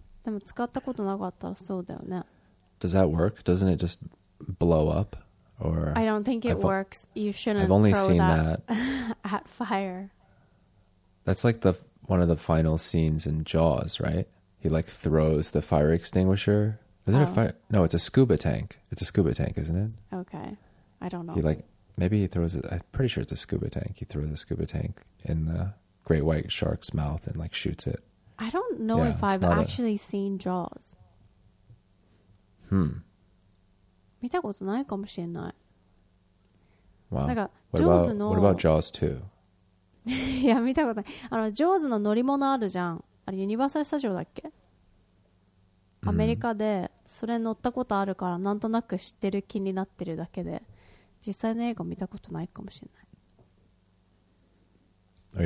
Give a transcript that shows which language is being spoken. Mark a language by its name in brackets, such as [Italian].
[Japanese] やっぱ消火器の使い方わかんないから、その消火器ごとを火に向かって投げちゃう人もいるみたいな。そのやっぱパニックになっちゃって、はーってなっても投げるみたいな。でも使ったことなかったらそうだよね。 [English] Does that work? Doesn't it just blow up? Or I don't think it works. You shouldn't I've only throw seen that at fire. That's like one of the final scenes in Jaws, right? He like throws the fire extinguisher. Isn't it a fire? No, it's a scuba tank. It's a scuba tank, isn't it? Okay. I don't know. He like, maybe he throws it. I'm pretty sure it's a scuba tank. He throws a scuba tank in the great white shark's mouth and like shoots it. I don't know if I've actually seen Jaws. Hmm. [Japanese] 見たことないかもしれない。 [English] Wow. What about Jaws 2? [Japanese] いや見たことない。あのジョーズの乗り物あるじゃん、あれユニバーサルスタジオだっけ、アメリカでそれ乗ったことあるからなんとなく知ってる気になってるだけで、実際の映画見たことないかもしれない。